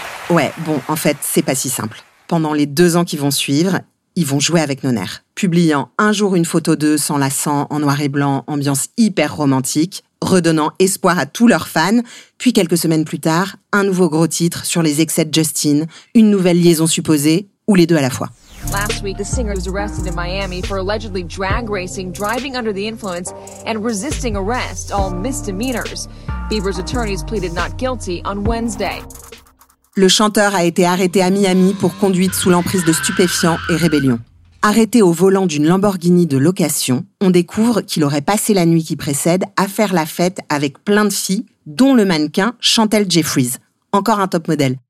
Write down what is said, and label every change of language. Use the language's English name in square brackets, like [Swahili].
[French] Ouais, bon, en fait, c'est pas si simple. Pendant les 2 ans qui vont suivre, ils vont jouer avec nos nerfs, publiant un jour une photo d'eux s'enlaçant en noir et blanc, ambiance hyper romantique, redonnant espoir à tous leurs fans, puis quelques semaines plus tard, un nouveau gros titre sur les excès de Justin, une nouvelle liaison supposée, ou les deux à la fois. [English] Last week, the singer was arrested in Miami for allegedly drag racing, driving under the influence, and resisting arrest, all misdemeanors. Bieber's attorneys pleaded not guilty on Wednesday. [French] Le chanteur a été arrêté à Miami pour conduite sous l'emprise de stupéfiants et rébellion. Arrêté au volant d'une Lamborghini de location, on découvre qu'il aurait passé la nuit qui précède à faire la fête avec plein de filles, dont le mannequin Chantelle Jeffries. Encore un top modèle.